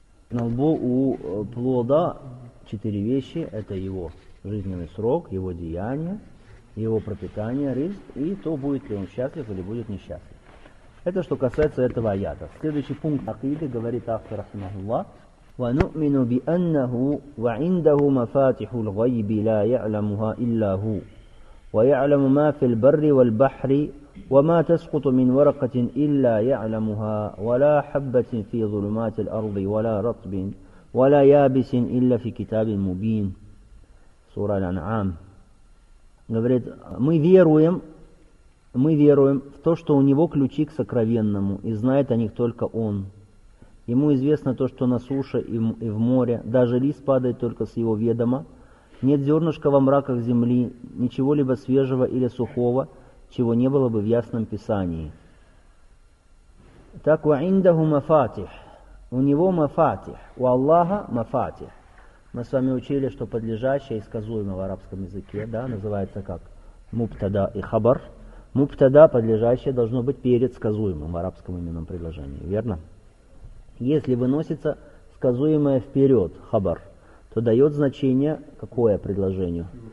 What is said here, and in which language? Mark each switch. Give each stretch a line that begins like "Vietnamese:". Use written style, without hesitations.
Russian: На лбу у плода четыре вещи. Это его жизненный срок, его деяния, его пропитание, риск. И то, будет ли он счастлив или будет несчастлив. Это что касается этого аята. Следующий пункт акиды говорит автор рахимахуллах.
Arabic: وَنُؤْمِنُ بِأَنَّهُ وَعِنْدَهُ مَفَاتِحُ الْغَيْبِ لَا يَعْلَمُهَا إِلَّا هُوَ وَيَعْلَمُ مَا فِي الْبَرِّ وَالْبَحْرِ وَمَا تَسْقُطُ مِنْ وَرَقَةٍ إِلَّا يَعْلَمُهَا وَلَا حَبَّةٍ فِي ظُلُمَاتِ الْأَرْضِ وَلَا رَطْبٍ وَلَا يَابِسٍ إِلَّا فِي كِتَابٍ مُبِينٍ سورة الأنعام
Russian: говорит мы веруем в то, что у него ключи к сокровенному и знает о них только он. Ему известно то, что на суше и в море, даже лист падает только с его ведома. Нет зернышка во мраках земли, ничего-либо свежего или сухого, чего не было бы в ясном писании.
Arabic: Так, وَعِنْدَهُ مَفَاتِح.
Russian: У него мафатих, у Аллаха мафатих. Мы с вами учили, что подлежащее и сказуемое в арабском языке, да, называется как мубтада и хабар. Мубтада, подлежащее, должно быть перед сказуемым в арабском именном предложении, верно? Если выносится сказуемое вперед, хабар, то дает значение какое предложению?